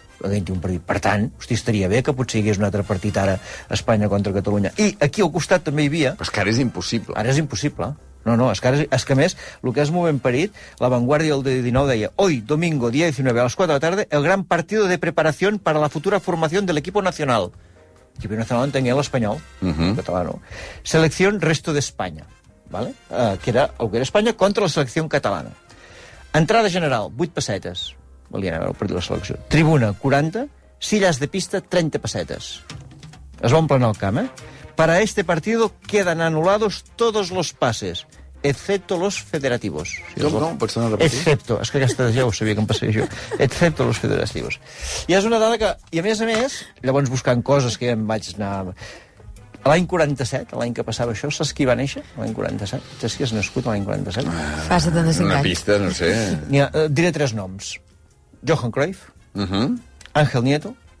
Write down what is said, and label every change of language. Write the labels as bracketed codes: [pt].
[ca] Per tant, hòstia, estaria bé que potser hi hagués un altre partit ara, Espanya contra Catalunya. I aquí al costat també hi havia... Però és que ara és impossible. Ara és impossible. No, no, és que a més, el que és moment parit, la Vanguardia del 19 deia [es] hoy, domingo, día 19, a las 4 de la tarde, el gran partido de preparación para la futura formación del equipo nacional. El equipo nacional [ca] entenia l'espanyol, el català, no. [es] Selección resto de España, ¿vale? Que era el que era España contra la selección catalana. [ca] Entrada general, 8 pessetes. Volien haver perdut la selecció. Tribuna, 40. [es] Sillas de pista, [ca] 30 pessetes. Es va omplir el camp, eh? [es] Para este partido quedan anulados todos los pases, excepto los federativos. [ca] Excepto, es que aquesta ja ho sabia que em passaria jo. [es] Excepto los federativos. [ca] I és una dada que, i a més, llavors buscant coses que ja em vaig anar... L'any 47, l'any que passava això, saps qui va néixer? L'any 47. Saps qui has nascut l'any 47? Fa 75 anys. Una pista, no sé. Ha, diré tres noms. Johan Cruyff. Ángel Nieto.